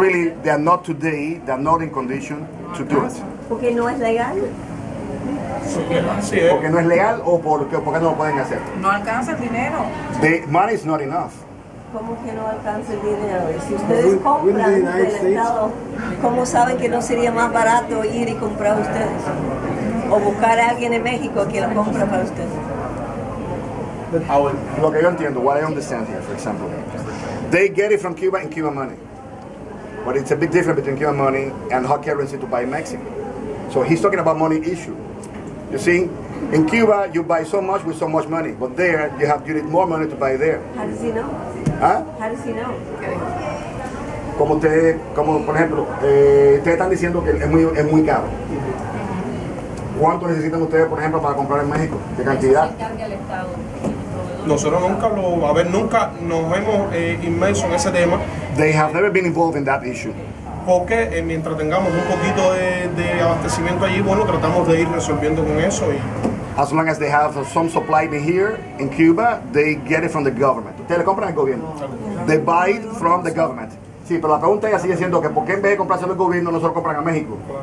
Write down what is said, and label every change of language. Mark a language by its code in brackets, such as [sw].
[en] Really, they are not today, they are not in condition to do it. [es] ¿Porque no es legal? Sí, ¿porque no es legal o porque no lo pueden hacer? No alcanza el dinero. [en] The money is not enough. [es] ¿Cómo que no alcanza el dinero? Si ustedes compran del Estado, ¿cómo saben que no sería más barato ir y comprar ustedes? O buscar a alguien en México que lo compre para ustedes. Lo que yo entiendo, [en] what I understand here, for example, they get it from Cuba in Cuban money. But it's a big difference between Cuban money and hard currency to buy in Mexico. So he's talking about money issue. You see, in Cuba, you buy so much with so much money, but there, you have you need more money to buy there. How does he know? ¿Ah? How does he know? [es] Como ustedes, como por ejemplo, ustedes están diciendo que es muy caro. ¿Cuánto necesitan ustedes, por ejemplo, para comprar en México? ¿Qué cantidad? Nosotros nunca lo, a ver, nunca nos hemos inmerso en ese tema. [en] They have never been involved in that issue. [es] Porque mientras tengamos un poquito de abastecimiento allí, bueno, tratamos de ir resolviendo con eso. Y [en] as long as they have some supply here in Cuba, they get it from the government. [es] Ustedes le compran al gobierno. [en] They buy it from the government. [es] Sí, pero la pregunta ya sigue siendo que ¿por qué en vez de comprárselo al gobierno, nosotros compran a México?